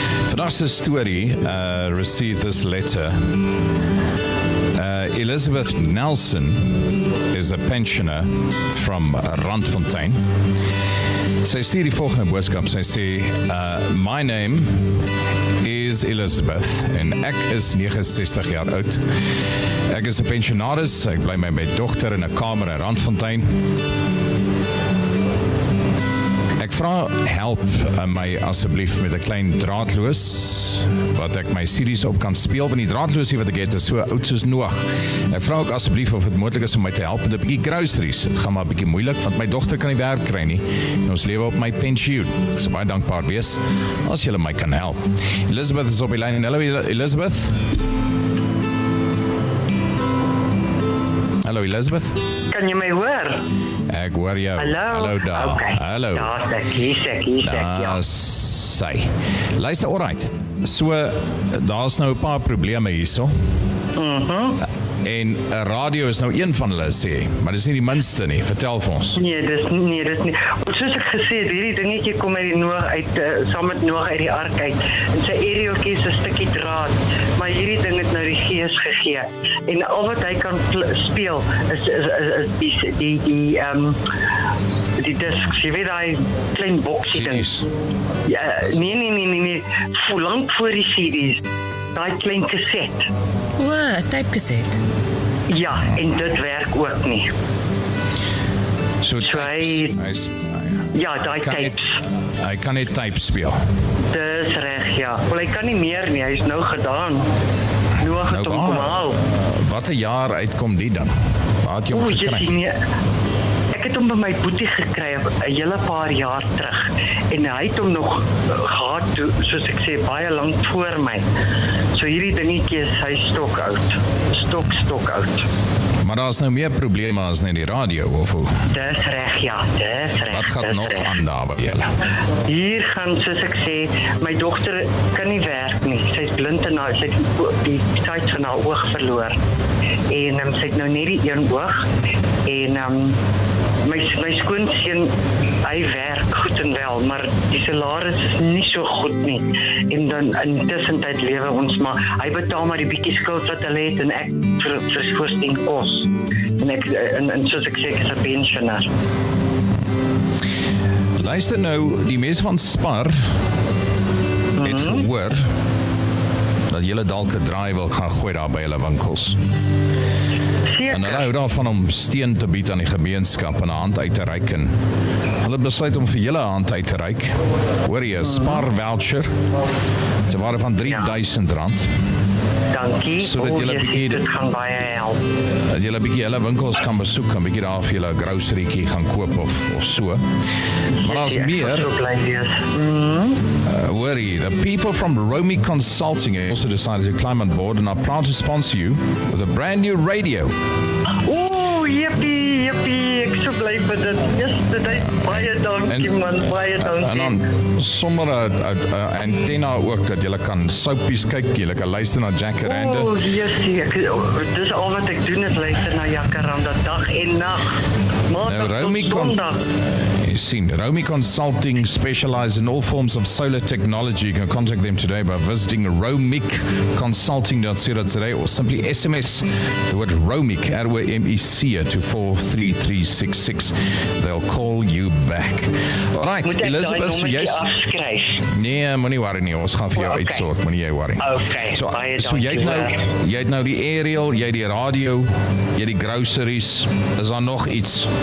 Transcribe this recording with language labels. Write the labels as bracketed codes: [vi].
[en] Vanessa Story received this letter. Elizabeth Nelson is a pensioner from Randfontein. [af] Sy stuur die volgende boodskap. Sy sê, my name is Elizabeth en ek is 69 jaar oud. Ek is 'n pensionaris. Ek bly met my dogter in 'n kamer in Randfontein. Ek vra help my asseblief met 'n klein draadloos wat ek my series op kan speel, want die draadloosie wat ek het is so oud soos Noag. Ek vra ook asseblief of dit moontlik is om my te help met 'n bietjie groceries. Dit gaan maar 'n bietjie moeilik want my dogter kan nie werk kry nie en ons lewe op my pensioen. Ek sal baie dankbaar wees as jy my kan help. Elizabeth is op die lyn. Hallo Elizabeth. Hallo Elizabeth. Kan jy my hoor? Ek hoor jou. Hallo. Hallo daar. Okay. Hallo. Daar is ek, hier is ek, hier is ek, ja. Sy. Luister, [en] all right. [af] So, daar is nou 'n paar probleme hierso. En radio is nou een van hulle, sê. Maar dis nie die minste nie. Vertel vir ons. Nee, dis nie. Want soos ek gesê het, hierdie dingetjie kom uit die Noag uit, saam met Noag uit die ark uit. En sy aerieltjie is 'n stukkie draad. Maar hierdie ding het nou die gees gegee. En al wat hy kan speel, is die discs. Jy weet, die klein boksie ding. Ja, nee. Lang voor die CD's. Die klein cassette. Wat, een type cassette? Ja, en dit werk ook nie. So types. Ja, die types. Hy kan nie types speel. Dis reg, ja. Wel, hy kan nie meer nie, hy is nou gedaan. Noag het hom gehaal. Wat een jaar uitkom die dan? Waar het jy hom gekry? Ek het hom by my boetie gekry, een hele paar jaar terug. En hy het hom nog gehad, soos ek sê, baie lang voor my. So hierdie dingetjie is hy stok oud. Stok oud. Maar daar is nou meer probleme as net die radio, of hoe? Dis reg, ja, dis reg. Wat gaat nog reg aan daar by julle? Hier gaan, soos ek sê, my dogter kan nie werk nie. Sy is blind en sy het die tyd van haar oog verloor. En sy het nou net die een oog. En my skoonseun, hy werk goed en wel, maar die salaris is nie so goed nie. En dan in tussentijd lewe ons, maar hy betaal maar die bietjie skuld wat hy het en ek verskoos die kos. En soos ek sê, ek is 'n pensioner. Luister nou, die mense van Spar het gehoor dat jylle dalk 'n draai wil gaan gooi daar by jylle winkels. En hulle hou daarvan om steen te bied aan die gemeenskap en 'n hand uit te reik. En hulle besluit om vir julle 'n hand uit te reik. Hoor jy, 'n spar voucher. Te waarde van R3000. Dankie. So dat julle bietjie dit gaan baie help. Dat julle bietjie hulle winkels kan besoek, kan bietjie daar vir julle 'n groceryetjie gaan koop of so. Maar daar's meer. [en] Worry, the people from Romy Consulting also decided to climb on board and are proud to sponsor you with a brand new radio. [af] Oh, yippee, ek so bly vir dit. Yes, dit is baie dankie, and, man, baie dankie. En dan sommer [en] a antenna [af] ook, dat jylle kan soapies kyk, jylle kan luister na Jacaranda. Oh, yesie, dis al wat ek doen is luister na Jacaranda dag en nacht. Maandag tot zondag. Seen. [en] Romy Consulting specialize in all forms of solar technology. You can contact them today by visiting romicconsulting.co.za or simply SMS the word Romic, R-O-M-E-C, to 43366. They'll call you back. All right, Elizabeth, yes. [af] Nee, moenie worry nie, ons gaan vir jou uitsort, moenie jy worry. So jy het nou die aerial, jy het die radio, jy het die groceries, is daar nog iets?